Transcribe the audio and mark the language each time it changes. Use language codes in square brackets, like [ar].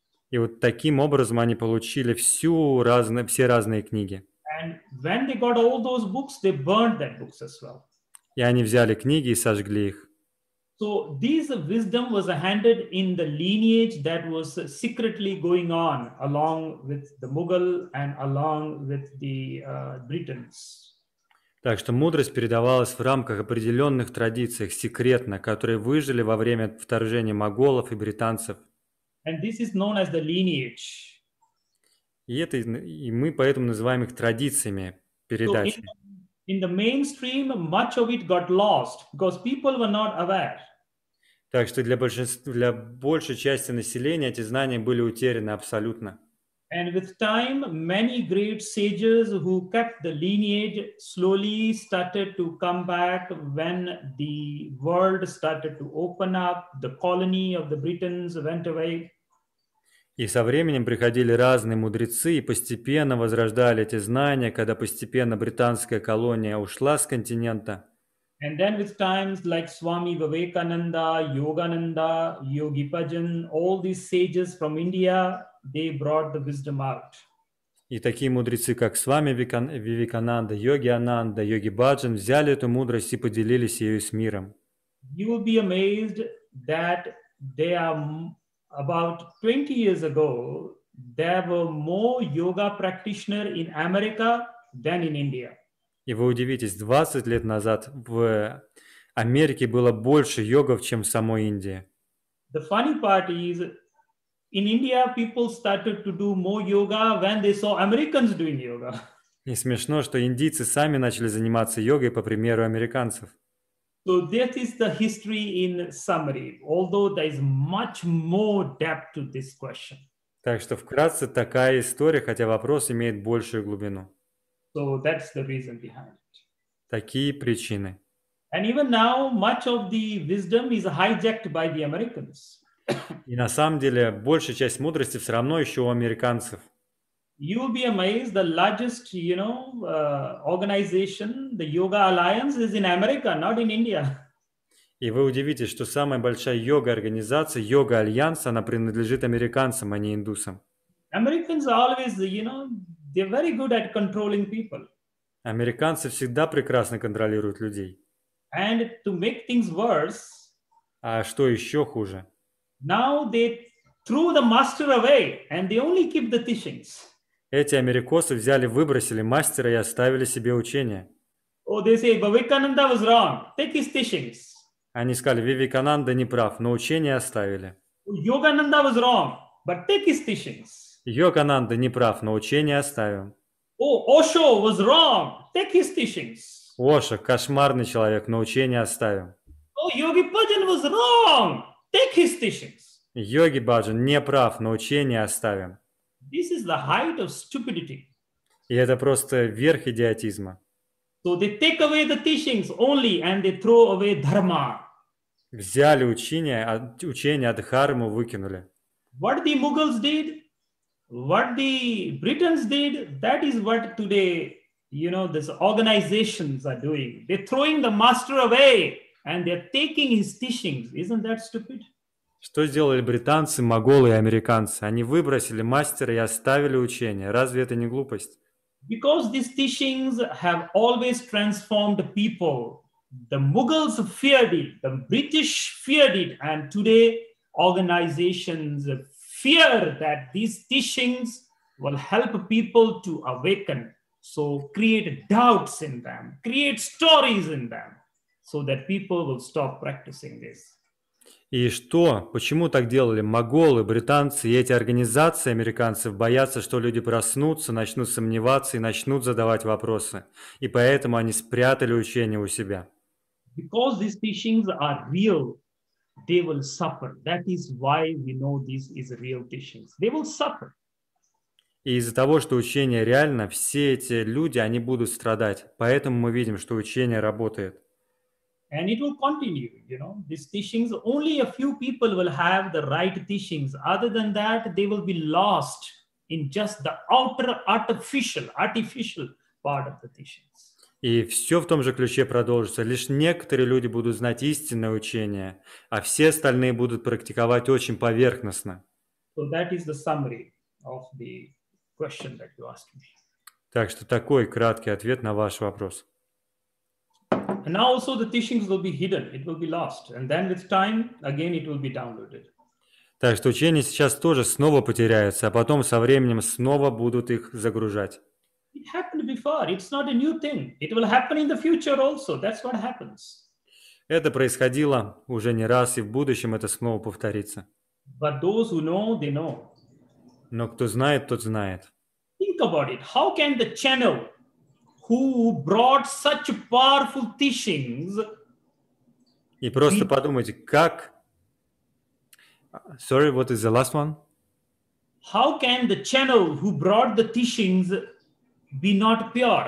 [ru] И вот таким образом они получили всю разные, все разные книги. [en] And when they got all those books, they burned that books as well. [ru] И они взяли книги и сожгли их. [en] So this wisdom was handed in the lineage that was secretly going on along with the Mughal and along with the Britons. [ru] Так что мудрость передавалась в рамках определенных традиций секретно, которые выжили во время вторжения моголов и британцев. [en] And this is known as the lineage. [ru] И, это, и мы поэтому называем их традициями передачи. [en] So in the mainstream, much of it got lost, because people were not aware. [ru] Так что для большей части населения эти знания были утеряны абсолютно. [en] And with time, many great sages who kept the lineage slowly started to come back when the world started to open up, the colony of the Britons went away. [ru] И со временем приходили разные мудрецы и постепенно возрождали эти знания, когда постепенно британская колония ушла с континента. [en] And then with times like Swami Vivekananda, Yogananda, Yogi Bhajan, all these sages from India, they brought the wisdom out. [ru] И такие мудрецы, как Свами Вивекананда, Йоги Ананда, Йоги Бхаджан, взяли эту мудрость и поделились ею с миром. [en] You will be amazed that they are... About 20 years ago, there were more yoga practitioners in America than in India. [ru] И вы удивитесь, 20 лет назад в Америке было больше йогов, чем в самой Индии. [en] The funny part is, in India people started to do more yoga when they saw Americans doing yoga. [ru] И смешно, что индийцы сами начали заниматься йогой по примеру американцев. [en] So that is the history in summary, although there is much more depth to this question. [ru] Так что вкратце такая история, хотя вопрос имеет большую глубину. [en] So that's the reason behind it. [ru] такие причины. [en] And even now, much of the wisdom is hijacked by the Americans. [ru] И на самом деле большая часть мудрости все равно еще у американцев. [en] You'll be amazed, the largest, you know, organization, the Yoga Alliance, is in America, not in India. [ru] И вы удивитесь, что самая большая йога-организация, Йога Альянс, она принадлежит американцам, а не индусам. [en] Americans always, you know, they're very good at controlling people. [ru] Американцы всегда прекрасно контролируют людей. [en] And to make things worse, [ru] а что еще хуже? [en] Now they threw the master away and they only keep the teachings. [ru] Эти америкосы взяли, выбросили мастера и оставили себе учение. [en] Oh, they say, Vivekananda was wrong. Take his teachings. [ru] Они сказали, Вивекананда не прав, но учение оставили. [en] Yogananda was wrong, but take his teachings. [ru] Йогананда не прав, но учение оставим. [en] Oh, Osho was wrong. Take his teachings. [ru] Оша, кошмарный человек, но учение оставим. [en] Oh, Yogi Bhajan was wrong. Take his teachings. [ru] Йоги Баджан не прав, но учение оставим. [en] This is the height of stupidity. [ru] И это просто верх идиотизма. [en] So they take away the teachings only and they throw away dharma. [ru] Взяли учение, учение от дхармы выкинули. [en] What the Mughals did, what the Britons did, that is what today, you know, these organizations are doing. They're throwing the master away and they're taking his teachings. Isn't that stupid? [ru] Что сделали британцы, моголы и американцы? Они выбросили мастера и оставили учение. Разве это не глупость? [en] Because these teachings have always transformed people. The Mughals feared it, the British feared it, and today organizations fear that these teachings will help people to awaken. So create doubts in them, create stories in them, so that people will stop practicing this. [ru] И что? Почему так делали моголы, британцы и эти организации американцев боятся, что люди проснутся, начнут сомневаться и начнут задавать вопросы. И поэтому они спрятали учение у себя. [en] Because these teachings are real, they will suffer. That is why we know this is real teachings. They will suffer. [ru] И из-за того, что учение реально, все эти люди, они будут страдать. Поэтому мы видим, что учение работает. [en] And it will continue, you know, these teachings, only a few people will have the right teachings. Other than that, they will be lost in just the outer artificial part of the teachings. [ru] И все в том же ключе продолжится. Лишь некоторые люди будут знать истинное учение, а все остальные будут практиковать очень поверхностно. [en] So that is the summary of the question that you asked me. [ru] Так что такой краткий ответ на ваш вопрос. [en] And now also the teachings will be hidden, it will be lost. And then with time, again it will be downloaded. [ru] Так что учения сейчас тоже снова потеряются, а потом со временем снова будут их загружать. [en] It happened before, it's not a new thing. It will happen in the future also, that's what happens. [ru] Это происходило уже не раз, и в будущем это снова повторится. [en] But those who know, they know. [ru] Но кто знает, тот знает. [en] Think about it, how can the channel who brought such powerful teachings. [ru] И просто подумайте, как... [en] Sorry, what is the last one? How can the channel who brought the teachings be not pure?